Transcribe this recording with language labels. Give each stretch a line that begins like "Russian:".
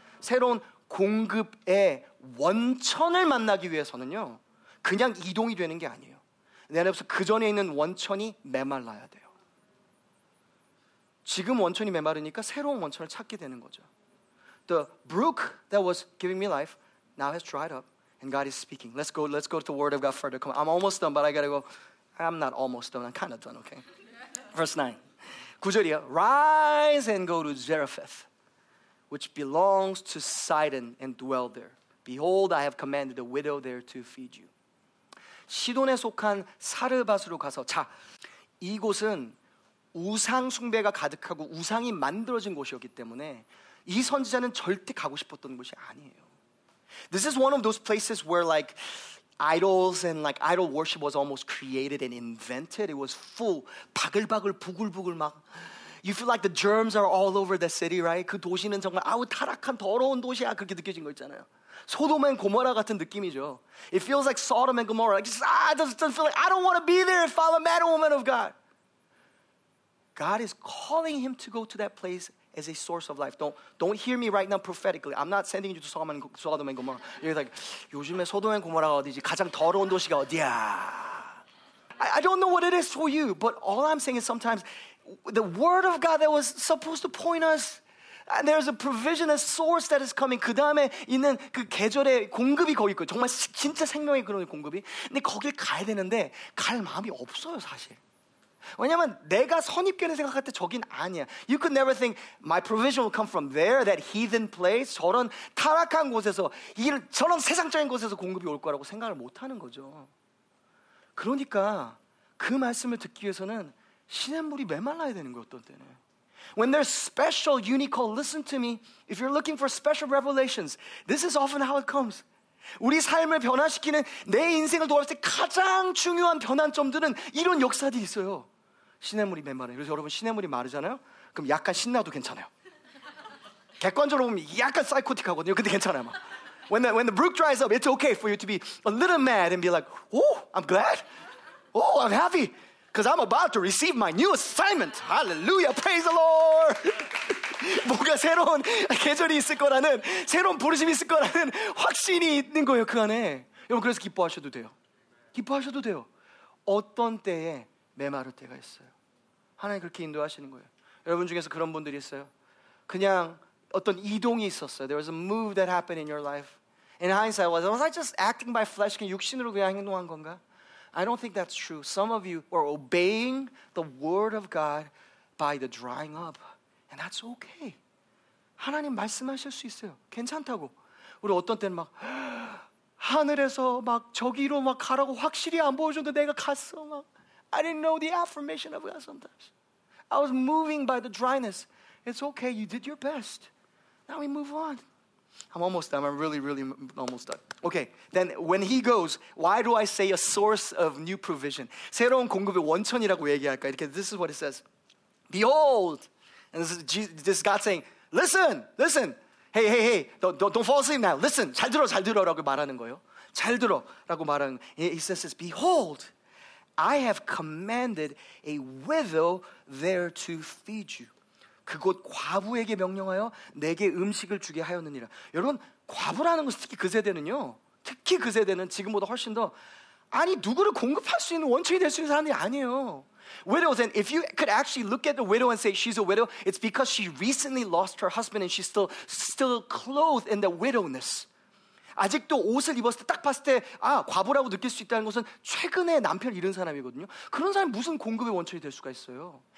Korean: 새로운 공급의 원천을 만나기 위해서는요, 그냥 이동이 되는 게 아니에요. 내 안에서 그 전에 있는 원천이 메말라야 돼요. 지금 원천이 메마르니까 새로운 원천을 찾게 되는 거죠.
English: The brook that was giving me life now has dried up. And God is speaking. Let's go to the word of God further. Come on. I'm almost done, but I gotta go. I'm not almost done. I'm kind of done, okay? Verse 9.
Korean: 구절이요.
English: Rise and go to Zarephath, which belongs to Sidon, and dwell there. Behold, I have commanded a widow there to feed you.
Korean: 시돈에 속한 사르밧으로 가서. 자, 이곳은 우상 숭배가 가득하고 우상이 만들어진 곳이었기 때문에 이 선지자는 절대 가고 싶었던 곳이 아니에요.
English: This is one of those places where like idols and like idol worship was almost created and invented. It was full,
Korean: 바글바글, 부글부글 막.
English: You feel like the germs are all over the city, right?
Korean: 그 도시는 정말 아우 타락한 더러운 도시야 그렇게 느껴진 거 있잖아요. 소돔앤 고모라 같은 느낌이죠.
English: It feels like Sodom and Gomorrah. Like, just, ah, it doesn't feel like, I don't want to be there if I'm a man or woman of God. God is calling him to go to that place as a source of life. Don't hear me right now prophetically. I'm not sending you to Sodom and Gomorrah. You're like,
Korean: 요즘에 소돔 앤 고모라가 어디지? 가장 더러운 도시가 어디야?
English: I don't know what it is for you, but all I'm saying is sometimes the word of God that was supposed to point us, and there's a provision, a source that is coming.
Korean: 그 다음에 있는 그 계절의 공급이 거기 있고 정말 진짜 생명의 그런 공급이. 근데 거길 가야 되는데 갈 마음이 없어요, 사실. 왜냐면 내가 선입견을 생각할 때 저긴 아니야.
English: You could never think my provision will come from there, that heathen place,
Korean: 저런 타락한 곳에서, 저런 세상적인 곳에서 공급이 올 거라고 생각을 못 하는 거죠. 그러니까 그 말씀을 듣기 위해서는 시냇물이 메말라야 되는 거예요, 어떤 때는.
English: When there's special, unique call, listen to me. If you're looking for special revelations, this is often how it comes.
Korean: 우리 삶을 변화시키는 내 인생을 돌아볼 때 가장 중요한 변환점들은 이런 역사들이 있어요. 시냇물이 메마르. 그래서 여러분 시냇물이 마르잖아요. 그럼 약간 신나도 괜찮아요. 객관적으로 보면 약간 사이코틱하거든요. 근데 괜찮아요. 막.
English: When the brook dries up, it's okay for you to be a little mad and be like, oh, I'm glad. Oh, I'm happy. Because I'm about to receive my new assignment. Hallelujah. Praise the Lord.
Korean: 뭔가 새로운 계절이 있을 거라는, 새로운 부르심이 있을 거라는 확신이 있는 거예요, 그 안에. 여러분, 그래서 기뻐하셔도 돼요. 기뻐하셔도 돼요. 어떤 때에 메마를 때가 있어요. 하나님 그렇게 인도하시는 거예요. 여러분 중에서 그런 분들이 있어요. 그냥 어떤 이동이 있었어요.
English: There was a move that happened in your life. In hindsight, was I just acting by flesh?
Korean: 그냥 육신으로 그냥 행동한 건가?
English: I don't think that's true. Some of you are obeying the word of God by the drying up. And that's okay.
Korean: 하나님 말씀하실 수 있어요. 괜찮다고. 우리 어떤 때는 막 하늘에서 막 저기로 막 가라고 확실히 안 보여줘도 내가 갔어. 막.
English: I didn't know the affirmation of God sometimes. I was moving by the dryness. It's okay. You did your best. Now we move on. I'm almost done. I'm really, really almost done. Okay. Then when he goes, why do I say a source of new provision?
Korean: 새로운 공급의 원천이라고 얘기할까? 이렇게,
English: this is what it says. Behold. And this is God saying, listen, listen. Hey, hey, hey. Don't fall asleep now. Listen.
Korean: 잘 들어, 잘 들어라고 말하는 거예요. 잘 들어라고 말하는 거예요.
English: He says, behold, I have commanded a widow there to feed you.
Korean: 그곳 과부에게 명령하여 내게 음식을 주게 하였느니라. 여러분, 과부라는 것은 특히 그 세대는요. 특히 그 세대는 지금보다 훨씬 더 아니, 누구를 공급할 수 있는 원천이 될 수 있는 사람들이 아니에요.
English: Widows, and if you could actually look at the widow and say she's a widow, it's because she recently lost her husband and she's still clothed in the widowness.
Korean: 아직도 옷을 입었을 때 딱 봤을 때 아, 과부라고 느낄 수 있다는 것은 최근에 남편을 잃은 사람이거든요. 그런 사람이 무슨 공급의 원천이 될 수가 있어요?